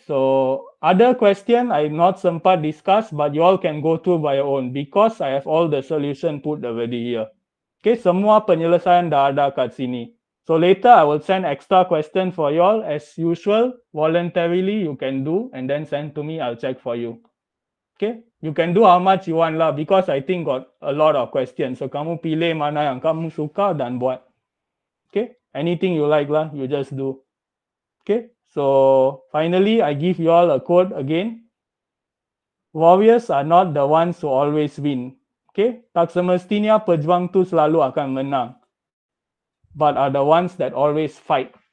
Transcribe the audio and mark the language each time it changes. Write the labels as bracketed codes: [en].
[en] So other question I'm not sempat discuss, but you all can go through by your own because I have all the solution put already here. Okay, [ms] semua penyelesaian dah ada kat sini. [en] So later I will send extra question for you all as usual, voluntarily you can do and then send to me, I'll check for you. Okay, you can do how much you want lah because I think got a lot of questions. [ms] So kamu pilih mana yang kamu suka dan buat. [en] Okay, anything you like lah, you just do. Okay, so finally I give you all a quote again. Warriors are not the ones who always win. Okay, [ms] tak semestinya pejuang tu selalu akan menang, [en] but are the ones that always fight.